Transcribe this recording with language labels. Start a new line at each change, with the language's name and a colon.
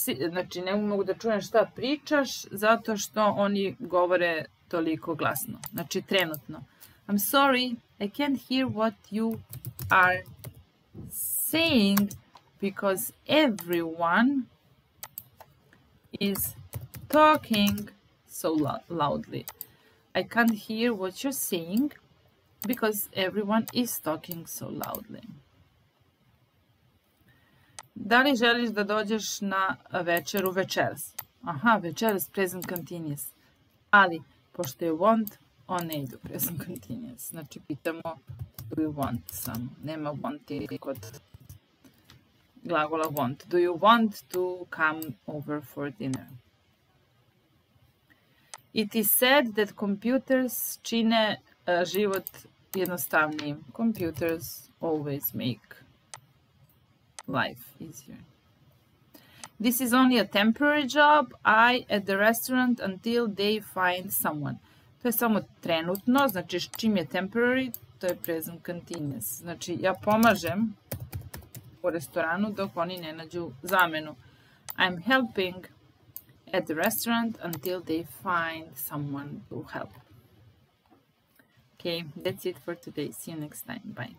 Serbian: Znači, ne mogu da čujem šta pričaš, zato što oni govore toliko glasno. Znači, trenutno.
English: I'm sorry, I can't hear what you are saying because everyone is talking so loudly. I can't hear what you're saying because everyone is talking so loudly.
Serbian: Da li želiš da dođeš na večeru večeras? Aha, večeras, present continuous. Ali, pošto je want, on ne ide u present continuous. Znači, pitamo,
English: do you want some?
Serbian: Nema want ili kod glagola want.
English: Do you want to come over for dinner? It is said that computers
Serbian: čine život jednostavnijim.
English: Computers always make life easier. This is only a temporary job. I at the restaurant until they find someone.
Serbian: To je samo trenutno, znači čim je temporary, to je present continuous. Znači ja pomažem u restoranu dok oni ne nađu zamenu.
English: I'm helping at the restaurant until they find someone to help. Okay, that's it for today. See you next time. Bye.